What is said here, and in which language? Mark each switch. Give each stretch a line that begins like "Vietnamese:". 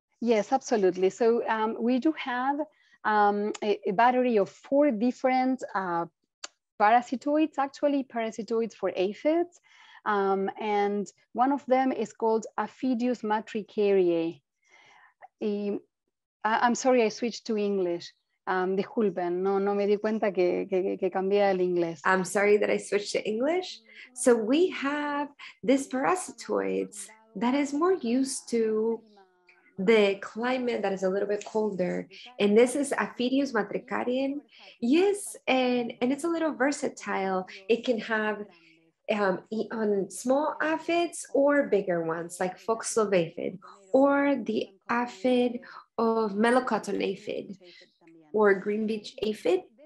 English: Yes, absolutely. So we do have a battery of four different parasitoids for aphids. And one of them is called Aphidius matricariae. I'm sorry, I switched to English.
Spanish: Disculpen, no me di cuenta que cambié el inglés.
English: I'm sorry that I switched to English. So we have this parasitoids that is more used to the climate that is a little bit colder. And this is Aphidius matricariae. Yes, and it's a little versatile. It can have eat on small aphids or bigger ones like fox love aphid or the aphid of melocotton aphid or green beach aphid.